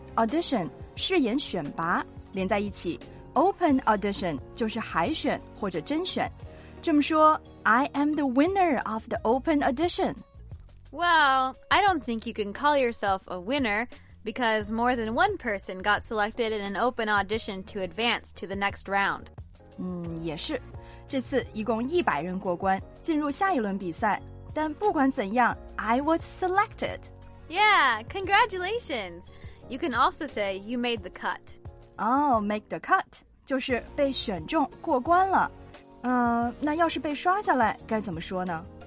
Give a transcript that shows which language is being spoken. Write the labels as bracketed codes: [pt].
[zh] Audition, 试演选拔。连在一起， open audition 就是海选或者甄选。这么说， [en] I am the winner of the open audition. Well, I don't think you can call yourself a winner. Because more than one person got selected in an open audition to advance to the next round. [zh] 也是。这次一共100人过关，进入下一轮比赛。但不管怎样， [en] I was selected. Yeah, congratulations. You can also say you made the cut. Oh, make the cut. [zh] 就是被选中过关了。那要是被刷下来该怎么说呢？